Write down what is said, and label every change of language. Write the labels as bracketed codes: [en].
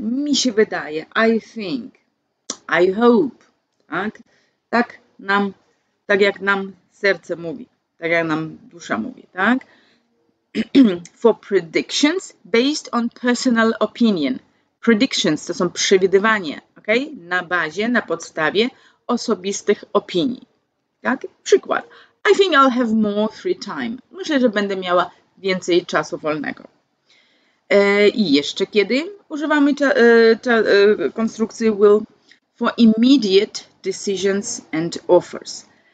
[pl] Mi się wydaje, [en] I think, I hope. [pl] Tak? Tak nam, tak jak nam serce mówi. Tak jak nam dusza mówi, tak? [en] For predictions based on personal opinion. [pl] Predictions to są przewidywania, ok? Na bazie, na podstawie osobistych opinii, tak? Przykład. [en] I think I'll have more free time. [pl] Myślę, że będę miała więcej czasu wolnego. I jeszcze kiedy używamy konstrukcji will? [en] For immediate decisions and offers.